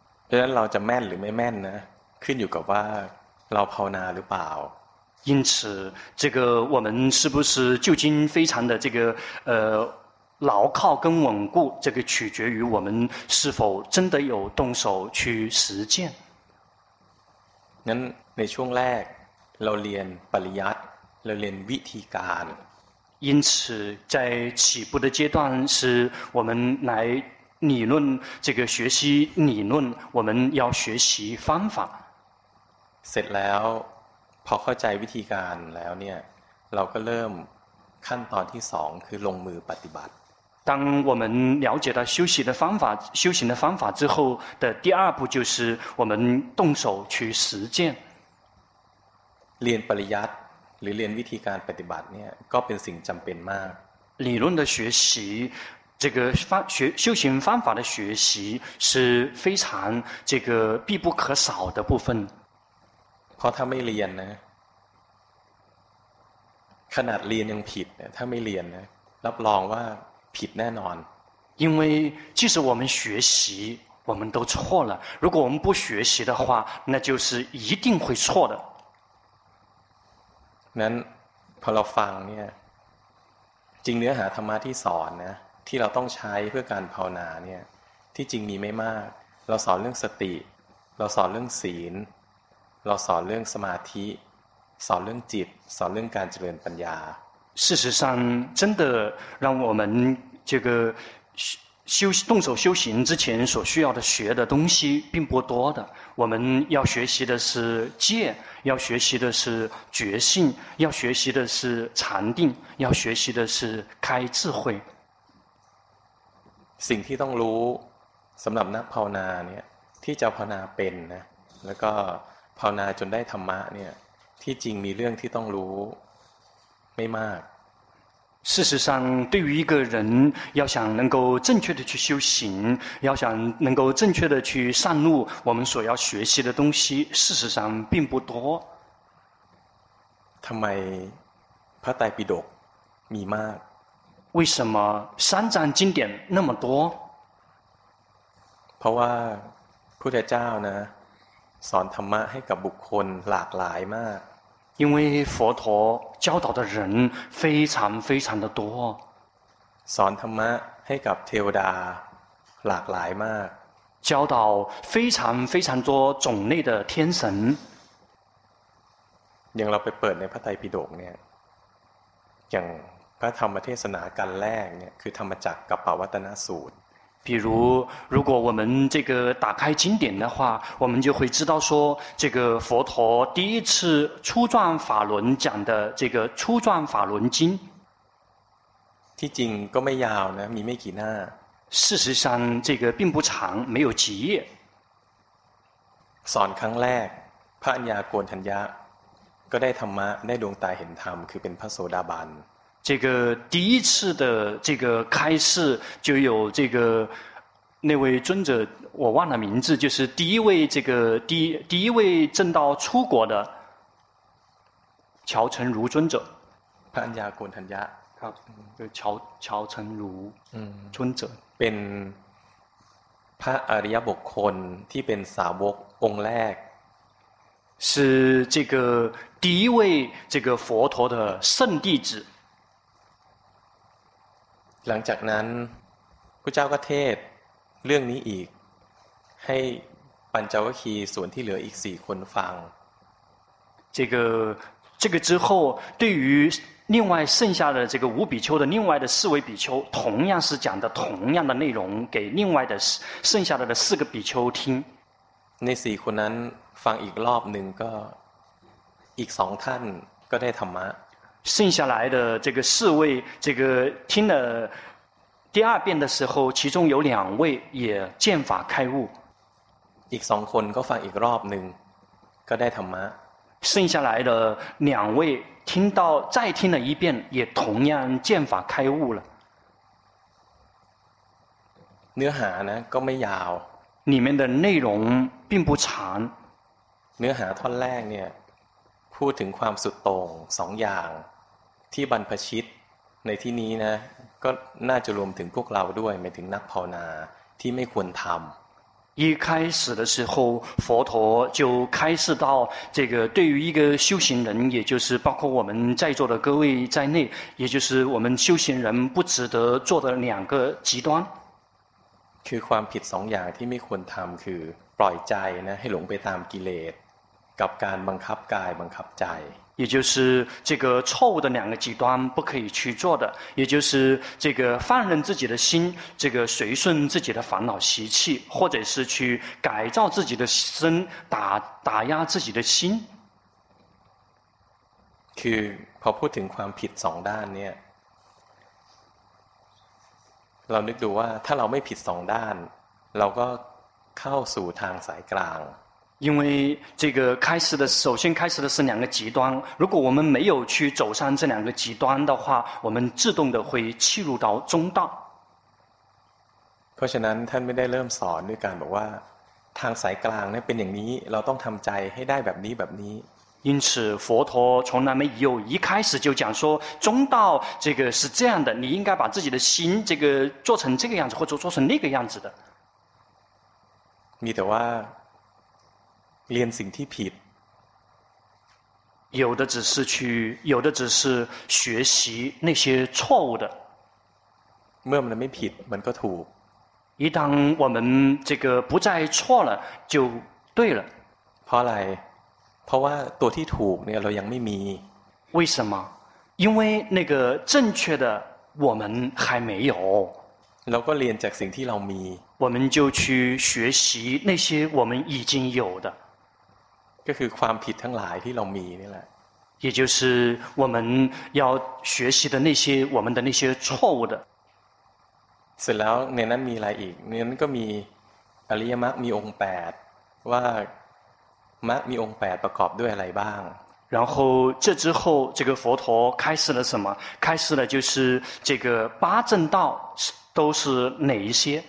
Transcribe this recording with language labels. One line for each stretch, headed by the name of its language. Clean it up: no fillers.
Chinese: 所以
Thai: เราจะแม่นหรือไม่แม่นนะขึ้นอยู่กับว่าเราภาวนาหรือเปล่า
Chinese: 因此这个我们是不是究竟非常的这个牢靠跟稳固这个取决于我们是否真的有动手去实践
Thai: งั้นในช่วงแรกเราเรียนปริยัติเราเรียนวิธีการ
Chinese: 因此在起步的阶段是我们来理论这个学习理论我们要学习方法
Thai: เสร็จแล้วพอเข้าใจวิธีการแล้วเนี่ยเราก็เริ่มขั้นตอนที่สองคือลงมือปฏิบัติ
Chinese: 当我们了解到修习的方法修行的方法之后的第二步就是我们动手去实践
Thai: เรียนปริยัติหรือเรียนวิธีการปฏิบัติเนี่ยก็เป็นสิ่งจำเป็นมาก
Chinese: 理论的学习这个方学修行方法的学习是非常这个必不可少的部分
Thai: พอถ้าไม่เรียนนะขนาดเรียนยังผิดนะถ้าไม่เรียนนะรับรองว่าผิดแน่นอน
Chinese: 因为即使我们学习我们都错了如果我们不学习的话那就是一定会错的
Thai: นั้นพอเราฟังเนี่ยจริงเนื้อหาธรรมะที่สอนนะที่เราต้องใช้เพื่อการภาวนาเนี่ยที่จริงมีไม่มากเราสอนเรื่องสติเราสอนเรื่องศีลเราสอนเรื่องสมาธิสอนเรื่องจิตสอนเรื่องการเจริญปัญญา
Chinese: 事实上真的让我们这个修动手修行之前所需要的学的东西并不多的我们要学习的是戒要学习的是觉性要学习的是禅定要学习的是开智慧
Thai: สิ่งที่ต้องรู้สำหรับนักภาวนาเนี่ยที่จะภาวนาเป็นนะแล้วก็ภาวนาจนได้ธรรมะเนี่ยที่จริงมีเรื่องที่ต้องรู้ไม่มาก
Chinese: 事实上对于一个人要想能够正确的去修行要想能够正确的去上路我们所要学习的东西事实上并不多
Thai: ทำไมพระไตรปิฎกมีมาก
Chinese: 为什么三藏经典那么多
Thai: เพราะว่าพุทธเจ้านะสอนธรรมะให้กับบุคคลหลากหลายมาก
Chinese: 因为佛陀教导的人非常非常的多
Thai: สอนธรรมะให้กับเทวดาหลากหลายมาก
Chinese: 教导非常非常多种类的天神
Thai: อย่างเราไปเปิดในพระไตรปิฎกเนี่ยอย่างพระธรรมเทศนากันแรกเนี่ยคือธรรมจักรกัปปวัตตนสูตร
Chinese: 比如如果我们这个打开经典的话我们就会知道说这个佛陀第一次初转法轮讲的这个初转法轮经
Thai: ที่จริงก็ไม่ยาวนะมีไม่กี่หน้า
Chinese: 事实上这个并不长没有几页
Thai: สอนครั้งแรกพระอัญญาโกณฑัญญะก็ได้ธรรมะได้ดวงตาเห็นธรรมคือเป็นพระโสดาบัน
Chinese: 这个第一次的这个开示就有这个那位尊者我忘了名字就是第一位这个第一位正道出国的乔成儒尊者
Thai: พระอัญญาโกณฑัญญะ ครับคือ
Chinese: 乔成儒尊者
Thai: เป็นพระอริยบุคคลที่เป็นสาวกองค์แรก
Chinese: 是这个第一位这个佛陀的圣弟子
Thai: หลังจากนั้นพระเจ้าก็เทศเรื่องนี้อีกให้ปัญจวัคคีย์ส่วนที่เหลืออีก4คนฟัง
Chinese: 这个之后对于另外剩下的这个五比丘的另外的四位比丘同样是讲的同样的内容给另外的剩下的四个比丘听那
Thai: 4คนนั้นฟังอีกรอบนึงก็อีก2ท่านก็ได้ธรรมะ
Chinese: 剩下来的这个四位这个听了第二遍的时候其中有两位也见法开悟
Thai: อีก2คนก็ฟังอีกรอบนึงก็ได้ธรรมะ
Chinese: 剩下来的两位听到再听了一遍也同样见法开悟了
Thai: เนื้อหานะก็ไม่ยาว
Chinese: 里面的内容并不长
Thai: เนื้อหาท่อนแรกเนี่ยพูดถึงความสุดโต่งสองอย่างที่บรรพชิตในที่นี้นะก็น่าจะรวมถึงพวกเราด้วยหมายถึงนักภาวนาที่ไม่ควรทำ
Chinese: 一开始的时候佛陀就开示到这个对于一个修行人也就是包括我们在座的各位在内也就是我们修行人不值得做的两个极端
Thai: คือความผิดสองอย่างที่ไม่ควรทำคือปล่อยใจนะให้หลงไปตามกิเลส กับการบังคับกายบังคับใจ
Chinese: 也就是这个错误的两个极端不可以去做的也就是这个放任自己的心这个随顺自己的烦恼习气或者是去改造自己的身 打压自己的心
Thai: คือพอพูดถึงความผิดสองด้านเนี่ยเรานึกดูว่าถ้าเราไม่ผิดสองด้านเราก็เข้าสู่ทางสายกลาง
Chinese: 因为这个开始的首先开始的是两个极端如果我们没有去走上这两个极端的话我们自动的会弃入到中道
Thai: เพราะฉะนั้นท่านไม่ได้เริ่มสอนด้วยการบอกว่าทางสายกลางเนี่ยเป็นอย่างนี้เราต้องทำใจให้ได้แบบนี้แบบนี้
Chinese: 因此佛陀从来没有一开始就讲说中道这个是这样的你应该把自己的心这个做成这个样子或者做成那个样子的
Thai: มีแต่ว่าเรียนสิ่งที่ผิด
Chinese: 有的只是学习那些错误的
Thai: เมื่อมันไม่ผิดมันก็ถูก
Chinese: 一旦我们这个不再错了就对了
Thai: เพราะอะไรเพราะว่าตัวที่ถูกเนี่ยเรายังไม่มี
Chinese: 为什么因为那个正确的我们还没有
Thai: เราก็เรียนจากสิ่งที่เรามี
Chinese: 我们就去学习那些我们已经有的
Thai: ก็คือความผิดทั้งหลายที่เรามีนี่แหละ
Chinese: 也就是我们要学习的那些我们的那些错误的
Thai: เสร็จแล้วในนั้นมีอะไรอีกในนั้นก็มีอริยมรรคมีองค์8ว่ามรรคมีองค์8ประกอบด้วยอะไรบ้าง
Chinese: 然后这之后这个佛陀开始了什么开始了就是这个八正道都是哪一些